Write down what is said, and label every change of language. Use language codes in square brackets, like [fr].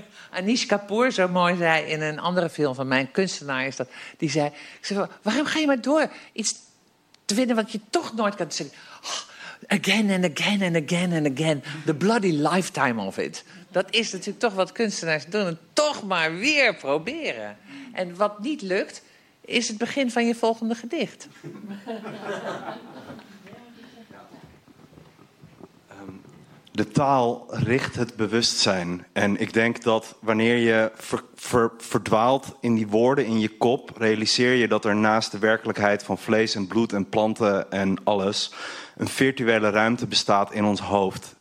[nl] Anish Kapoor zo mooi zei in een andere film van mijn kunstenaar is dat. Die zei, waarom ga je maar door iets te vinden wat je toch nooit kan zeggen? [en] Oh, again and again and again and again. The bloody lifetime of it. [nl] Dat is natuurlijk toch wat kunstenaars doen. Toch maar weer proberen. En wat niet lukt, is het begin van je volgende gedicht. De taal richt het bewustzijn. En ik denk dat wanneer je verdwaalt in die woorden in je kop, realiseer je dat er naast de werkelijkheid van vlees en bloed en planten en alles, een virtuele ruimte bestaat in ons hoofd.